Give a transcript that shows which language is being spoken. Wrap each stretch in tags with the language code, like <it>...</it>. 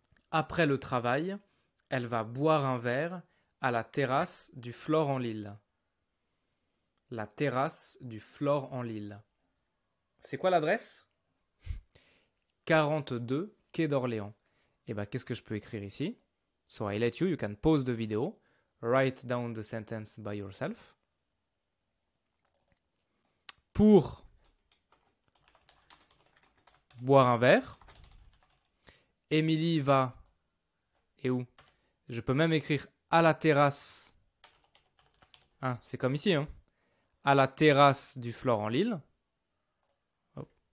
<fr>Après le travail, elle va boire un verre à la terrasse du Flore en Lille. La terrasse du Flore en Lille. C'est quoi l'adresse? 42 quai d'Orléans. Et bah, qu'est-ce que je peux écrire ici?</fr> <en>So I let you, you can pause the video, write down the sentence by yourself.</en> <fr>Pour boire un verre, Émilie va, et où? Je peux même écrire à la terrasse, hein, c'est comme ici, hein, à la terrasse du Flore en Lille, oh.</fr>